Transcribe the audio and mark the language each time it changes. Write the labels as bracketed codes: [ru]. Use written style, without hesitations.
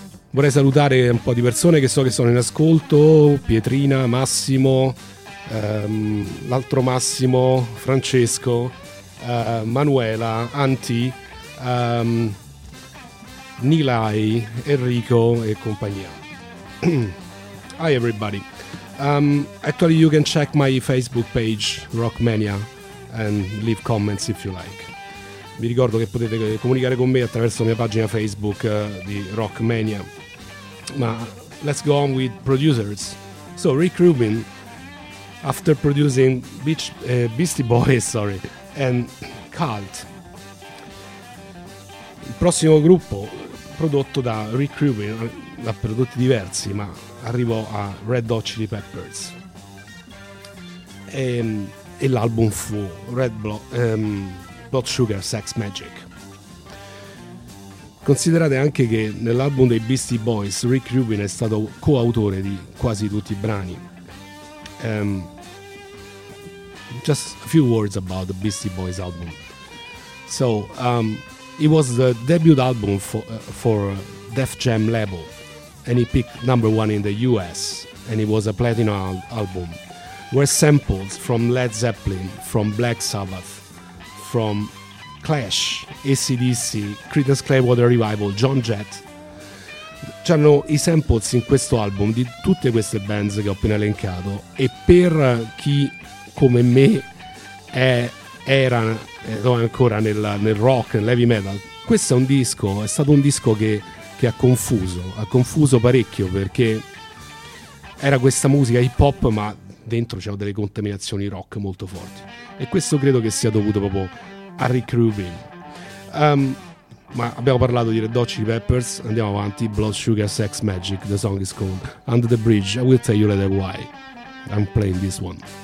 [it] Vorrei salutare un po' di persone che so che sono in ascolto: Pietrina, Massimo, l'altro Massimo, Francesco, Manuela, Anti, Nilai, Enrico e compagnia. [en] Hi everybody. Actually, you can check my Facebook page Rockmania and leave comments if you like. [it] Vi ricordo che potete comunicare con me attraverso la mia pagina Facebook di Rockmania. Ma [en] let's go on with producers. So Rick Rubin, after producing Beastie Boys, sorry, and Cult, [it] il prossimo gruppo prodotto da Rick Rubin, da prodotti diversi, ma arrivò a Red Hot Chili Peppers e l'album fu Red Blood Sugar Sex Magic. Considerate anche che nell'album dei Beastie Boys Rick Rubin è stato coautore di quasi tutti i brani. [en] Just a few words about the Beastie Boys album. So, it was the debut album for Def Jam label, and it picked number one in the US, and it was a platinum album. Were samples from Led Zeppelin, from Black Sabbath, from Clash, AC/DC, Creedence Clearwater Revival, John Jett. [it] C'erano i samples in questo album di tutte queste bands che ho appena elencato, e per chi come me era ancora nel rock, nel heavy metal, questo è un disco, è stato un disco che ha confuso parecchio, perché era questa musica hip hop ma dentro c'erano delle contaminazioni rock molto forti, e questo credo che sia dovuto proprio a Rick Rubin. Ma abbiamo parlato di Red Hot Chili Peppers, andiamo avanti. [en] Blood Sugar Sex Magik, the song is called Under the Bridge. I will tell you later why I'm playing this one.